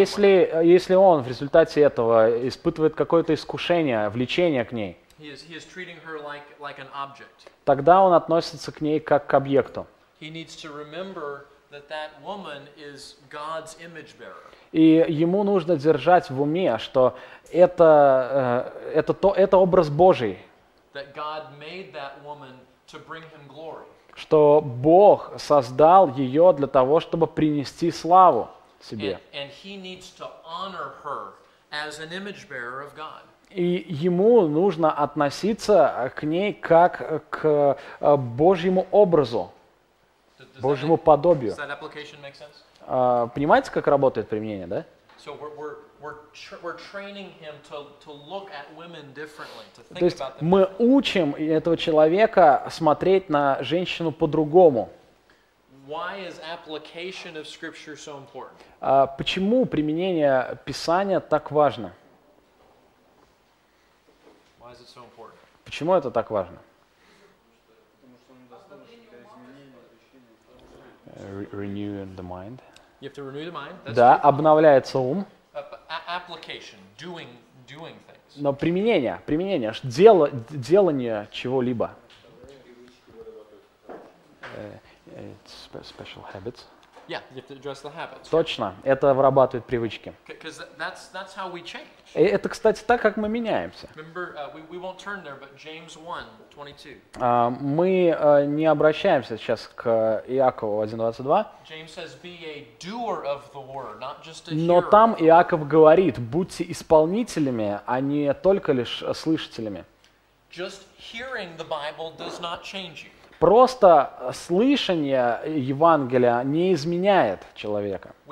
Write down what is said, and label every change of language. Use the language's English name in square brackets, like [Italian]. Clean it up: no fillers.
[Russian] Если он в результате этого испытывает какое-то искушение, влечение к ней. [English] He is treating her like an object. [Russian] Тогда он относится к ней как к объекту. [English] He needs to remember that woman is God's image bearer. [Russian] И ему нужно держать в уме, что это образ Божий. [English] That God made that woman to bring him glory. [Russian] Что Бог создал ее для того, чтобы принести славу себе. [English] And he needs to honor her as an image bearer of God. [Russian] И ему нужно относиться к ней как к Божьему образу, Божьему подобию. [English] Does that application make sense? [Russian] Понимаете, как работает применение, да? [English] So we're training him to look at women differently, to think about them. [Russian] То есть мы учим этого человека смотреть на женщину по-другому. [English] Why is application of scripture so important? [Russian] Почему применение Писания так важно? [English] Why is it so important? [Russian] Почему это так важно? [English] Renew the mind. You have to renew the mind. [Russian] Да, обновляется ум. [English] Application, doing things. [Russian] Но применение, делание чего-либо. [English] It's special habits. Yeah, you have to address the habits. [Russian] Точно, это вырабатывает привычки. [English] Because that's how we change. [Russian] Это, кстати, так, как мы меняемся. [English] Remember, we won't turn there, but James 1:22. [Russian] Мы не обращаемся сейчас к Иакову 1:22. [English] James says, be a doer of the word, not just a hearer. [Russian] Но там Иаков говорит, будьте исполнителями, а не только лишь слышателями. [English] Just hearing the Bible does not change you. [Russian] Просто слышание Евангелия не изменяет человека.